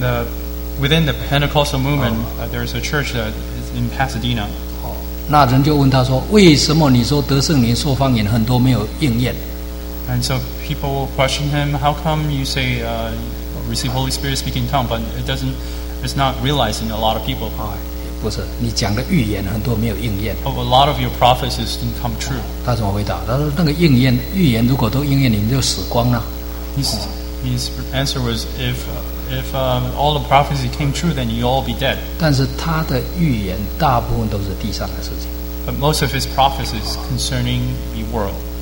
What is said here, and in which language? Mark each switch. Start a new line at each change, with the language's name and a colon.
English: the within the Pentecostal movement, there is a church that is in Pasadena.
Chinese: 那人就问他说，为什么你说得圣灵说方言很多没有应验？
English: And so people will question him, how come you say receive Holy Spirit speaking tongue, but it doesn't? It's not realizing a lot of people.
Chinese: 不是，你讲的预言很多没有应验。
English: Oh, a lot of your prophecies didn't come true.
Chinese: 他怎么回答？他说那个应验预言如果都应验，你们就死光了。
English: His answer was if all the prophecy came true, then you all be dead.
Chinese: 但是他的预言大部分都是地上的事情。
English: But most of his prophecies concerning the world.